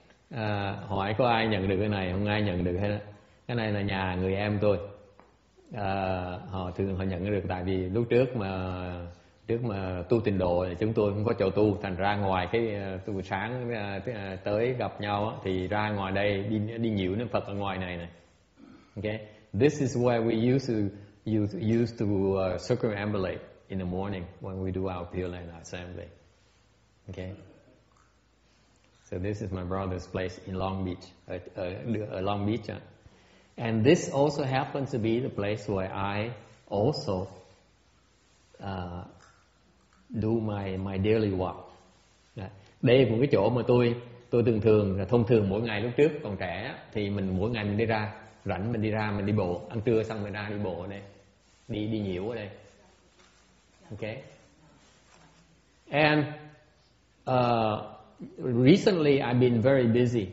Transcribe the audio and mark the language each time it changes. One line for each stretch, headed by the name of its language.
Vietnamese: À, hỏi có ai nhận được cái này không? Ai nhận được hết á? Cái này là nhà người em tôi. À, họ thường họ nhận được tại vì lúc trước mà tu tịnh độ thì chúng tôi không có chỗ tu, thành ra ngoài cái tu buổi sáng tới gặp nhau á, thì ra ngoài đây đi nhiều niệm Phật ở ngoài này này.
English: Okay, this is where we used to circumambulate in the morning when we do our Pureland assembly. Okay. So this is my brother's place in Long Beach, Long Beach. And this also happens to be the place where I also do my daily walk.
Vietnamese: Đây là một cái chỗ mà tôi thông thường mỗi ngày lúc trước còn trẻ thì mình mỗi ngày mình đi ra, rảnh mình đi ra, mình đi bộ, ăn trưa xong mình ra đi bộ ở đây, đi nhiều ở đây. Okay.
English: And recently I've been very busy.